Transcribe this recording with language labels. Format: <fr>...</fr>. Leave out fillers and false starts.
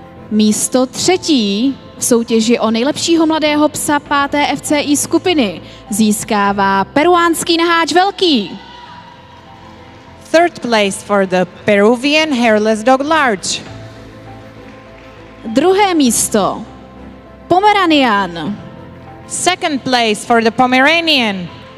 <cs>Místo třetí v soutěži o nejlepšího mladého psa 5. FCI skupiny získává peruánský naháč velký.</cs> <en>Third place for the Peruvian hairless dog large.</en> <cs>Druhé místo Pomeranian.</cs> <en>Second place for the Pomeranian.</en>